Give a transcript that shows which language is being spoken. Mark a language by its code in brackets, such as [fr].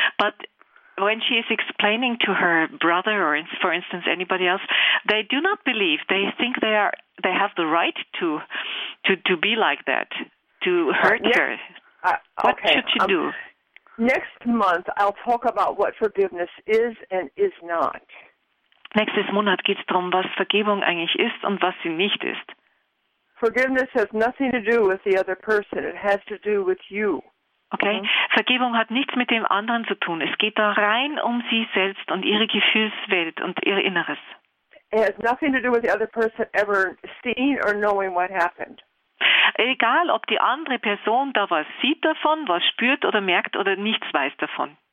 [en] But when she is explaining to her brother or, for instance, anybody else, they do not believe. They think they have the right to be like that, to hurt her. What should she do? Next month, I'll talk about what forgiveness is and is not. [de] Nächstes Monat geht's darum, was Vergebung eigentlich ist und was sie nicht ist. [en] Forgiveness has nothing to do with the other person. It has to do with you. [de] Okay, Vergebung hat nichts mit dem anderen zu tun. Es geht da rein um sie selbst und ihre Gefühlswelt und ihr Inneres. [en] It has nothing to do with the other person ever seeing or knowing what happened. [de] Egal, ob die andere Person da was sieht davon, was spürt oder merkt oder nichts weiß davon.